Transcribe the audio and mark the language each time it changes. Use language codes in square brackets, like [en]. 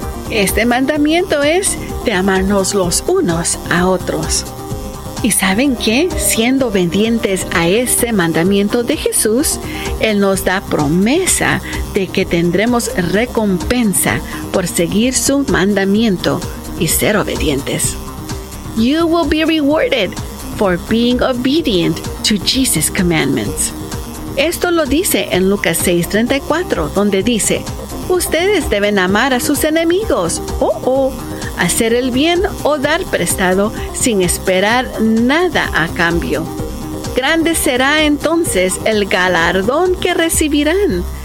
[es] Este mandamiento es de amarnos los unos a otros. ¿Y saben qué? Siendo obedientes a ese mandamiento de Jesús, Él nos da promesa de que tendremos recompensa por seguir su mandamiento y ser obedientes. [en] You will be rewarded for being obedient to Jesus' commandments. [es] Esto lo dice en Lucas 6:34, donde dice, ustedes deben amar a sus enemigos, hacer el bien o dar prestado sin esperar nada a cambio. Grande será entonces el galardón que recibirán,